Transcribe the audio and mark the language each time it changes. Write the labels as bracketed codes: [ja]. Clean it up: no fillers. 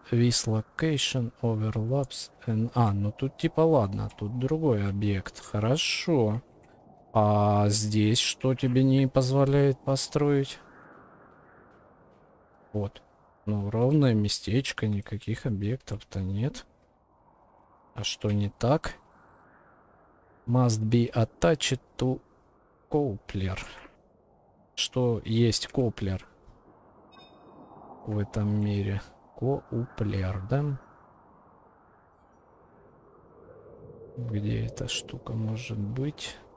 [en] This location overlaps and... [ru] А, ну тут типа ладно, тут другой объект. Хорошо. А здесь что тебе не позволяет построить? Вот. Ну, ровное местечко, никаких объектов-то нет. А что не так? [en] Must be attached to Coupler. [ru] Что есть Coupler в этом мире? Коуплер, да? Где эта штука может быть?